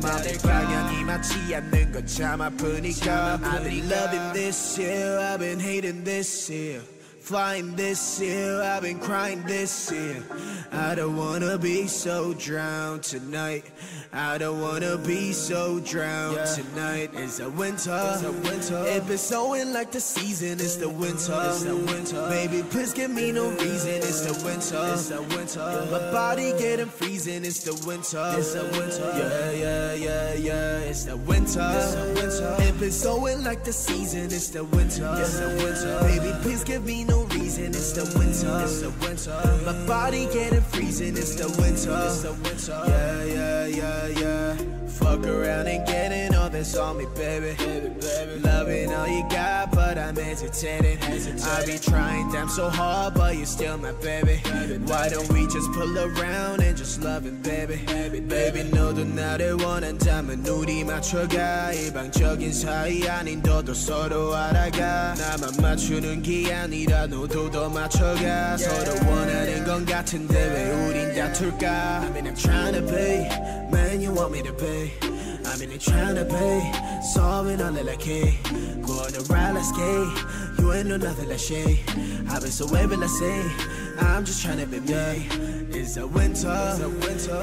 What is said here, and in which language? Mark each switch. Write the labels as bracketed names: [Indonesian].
[Korean] 마음의 방향이 맞지 않는 것 참 아프니까. [English] I've been loving this year, I've been hating this year. Flying this year, I've been crying this year. I don't wanna be so drowned tonight. I don't wanna be so drowned tonight. It's a winter, it's a winter. It been snowing like the season, it's the winter, it's a winter. Baby, please give me no reason, it's the winter, it's a winter. My body getting freezing, it's the winter, it's a winter. Yeah, yeah, yeah, yeah, it's the winter, it's a winter. It been snowing like the season, it's the winter, it's a winter. Baby, please give me no reason, it's the winter, it's a winter. My body getting freezing, it's the winter, it's a winter. Yeah, yeah, yeah. Yeah, fuck around and getting all this on me, baby, baby, baby. Loving all you got, but I'm hesitating. I be trying damn so hard, but you're still my baby. Why don't we just pull around and just love it, baby, baby, baby. [Korean] 너도 나를 원한다면 우리 맞춰가. 일방적인 사이 아닌 너도 서로 알아가. 나만 맞추는 게 아니라 너도 더 맞춰가. 서로 원하는 건 같은데 왜 우린 다툴까? [English] I mean I'm trying to be man you want me to be. I mean I'm trying to be solving all the key. Going around let's get. You ain't know nothing like shit. I've been so wavy let's say. I'm just trying to be me. It's a winter, it's a winter.